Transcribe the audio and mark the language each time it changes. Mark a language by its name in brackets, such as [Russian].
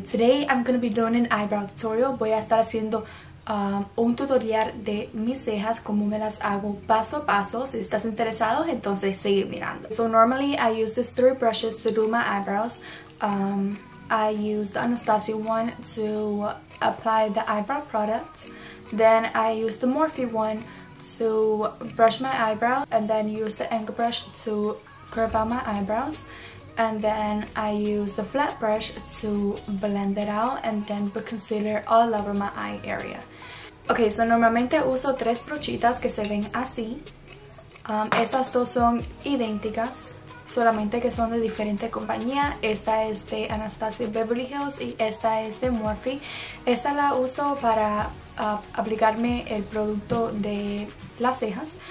[English] Today I'm going to be doing an eyebrow tutorial. [Spanish] Voy a estar haciendo un tutorial de mis cejas, cómo me las hago paso a paso. Si estás interesado, entonces sigue mirando. [English] So normally I use these three brushes to do my eyebrows. I use the Anastasia one to apply the eyebrow product. Then I use the Morphe one to brush my eyebrow. And then use the angle brush to curve out my eyebrows. And then I use the flat brush to blend it out and then put concealer all over my eye area. [Spanish] Okay, so normalmente uso tres brochitas que se ven así. Estas dos son idénticas, solamente que son de diferente compañía. Esta es de Anastasia Beverly Hills y esta es de Morphe. Esta la uso para aplicarme el producto de las cejas.